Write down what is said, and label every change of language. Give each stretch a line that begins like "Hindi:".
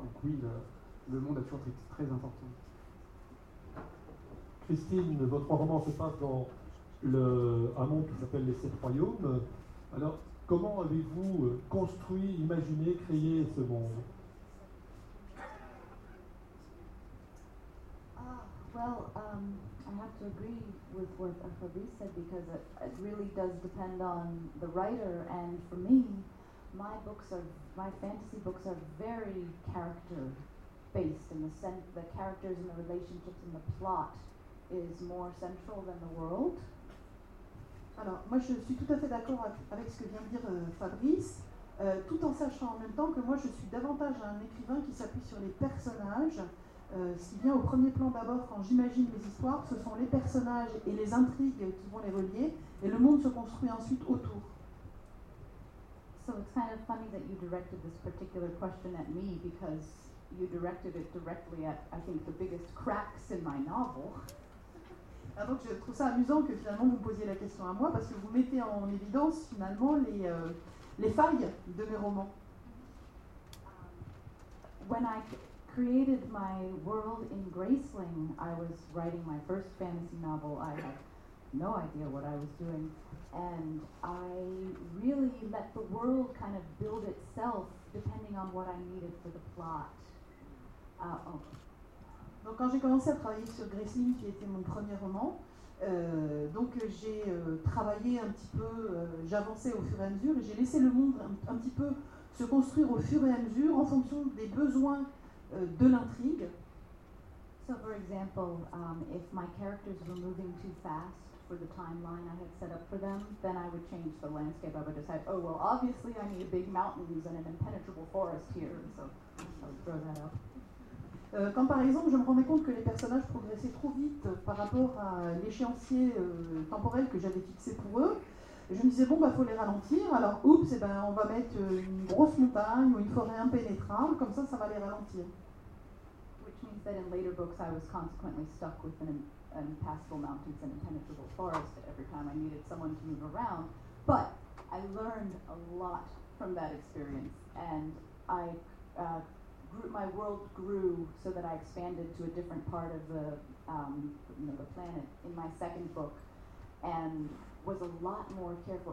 French: Donc oui, le monde a toujours été très important. Christine, votre roman se passe dans un monde qui s'appelle les Sept Royaumes. Alors, comment avez-vous construit, imaginé, créé ce monde?
English: I have to agree with what Fabrice said, because it really does depend on the writer. And for me, my fantasy books are very character based, and the characters and the relationships and the plot is more central than the world.
French: Alors, moi, je suis tout à fait d'accord avec ce que vient de dire Fabrice, tout en sachant en même temps que moi, je suis davantage un écrivain qui s'appuie sur les personnages, si bien au premier plan d'abord, quand j'imagine les histoires, ce sont les personnages et les intrigues qui vont les relier, et le monde se construit ensuite autour.
English: So it's kind of funny that you directed this particular question at me, because you directed it directly at, I think, the biggest cracks in my novel.
French: Ah, donc je trouve ça amusant que finalement vous posiez la question à moi, parce que vous mettez en évidence finalement les failles de mes romans.
English: When I created my world in Graceling, I was writing my first fantasy novel. I had no idea what I was doing. And I really let the world kind of build itself depending on what I needed for the plot.
French: Donc quand j'ai commencé à travailler sur Graceling, qui était mon premier roman, j'ai travaillé un petit peu, j'avançais au fur et à mesure, et j'ai laissé le monde un petit peu se construire au fur et à mesure en fonction des besoins de l'intrigue.
English: So for example, if my characters were moving too fast for the timeline I had set up for them, then I would change the landscape. I would decide, oh, well, obviously I need big mountains and an impenetrable forest here. So I would throw that out.
French: Quand, par exemple, je me rendais compte que les personnages progressaient trop vite par rapport à l'échéancier temporel que j'avais fixé pour eux, je me disais, bon, bah, faut les ralentir. Alors, oups, eh ben, on va mettre une grosse montagne ou une forêt impénétrable. Comme ça va les ralentir.
English: Which means that in later books, I was consequently stuck with an impassable mountains and impenetrable forest every time I needed someone to move around. But I learned a lot from that experience, and I grew, my world grew so that I expanded to a different part of the the planet in my second book, and was a lot more careful.